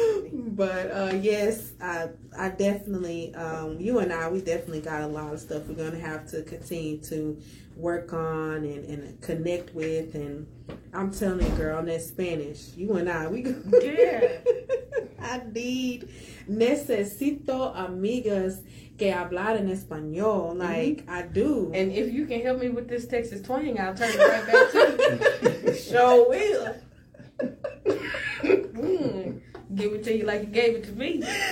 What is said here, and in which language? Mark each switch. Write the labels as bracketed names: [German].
[English] But yes, I definitely, you and I, we definitely got a lot of stuff we're going to have to continue to work on and connect with. And I'm telling you, girl, that Spanish, you and I, we good. Yeah. I need, [Spanish] necesito amigas que hablar en español. [English] Like, I do. And if you can help me with this Texas twang, I'll turn it right back to you. Sure will. Give it to you like you gave it to me.